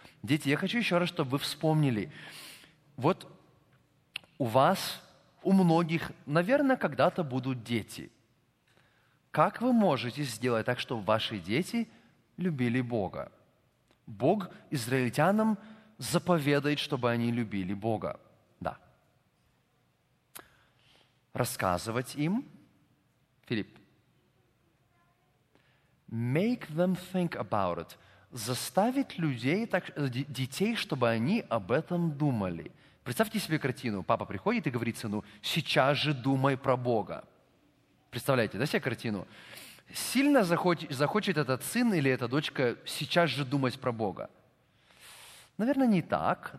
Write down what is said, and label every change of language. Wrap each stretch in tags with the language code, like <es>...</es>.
<ru>Дети, я хочу еще раз, чтобы вы вспомнили. Вот у вас, у многих, наверное, когда-то будут дети. Как вы можете сделать так, чтобы ваши дети любили Бога? Бог израильтянам заповедает, чтобы они любили Бога. Да. Рассказывать им,</ru> <en>Филипп, make them think about it.</en> <ru>Заставить людей, так, детей, чтобы они об этом думали. Представьте себе картину. Папа приходит и говорит сыну, сейчас же думай про Бога. Представляете, да, себе картину? Сильно захочет этот сын или эта дочка сейчас же думать про Бога? Наверное, не так.</ru>